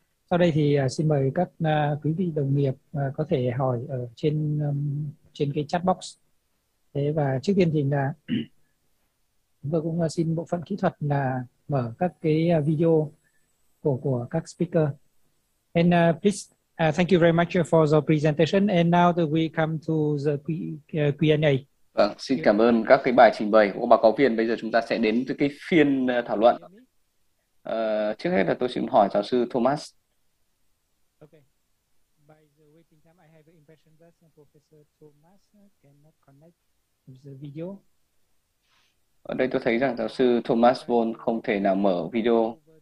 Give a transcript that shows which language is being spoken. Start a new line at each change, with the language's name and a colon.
Vietnamese: Sau đây thì xin mời các quý vị đồng nghiệp có thể hỏi ở trên cái chat box. Thế và trước tiên thì là chúng tôi cũng xin bộ phận kỹ thuật là mở các cái video của các speaker.
English: And please thank you very much for the presentation. And now that we come to the Q&A.
Vietnamese: Vâng, xin cảm ơn các cái bài trình bày của báo cáo viên. Bây giờ chúng ta sẽ đến từ cái phiên thảo luận. Trước hết là tôi xin hỏi giáo sư Thomas.
English: Okay. By the waiting time, I have an impression that Professor Thomas cannot connect with the video.
Vietnamese: Ở đây tôi thấy rằng giáo sư Thomas Vaughn không thể nào mở video.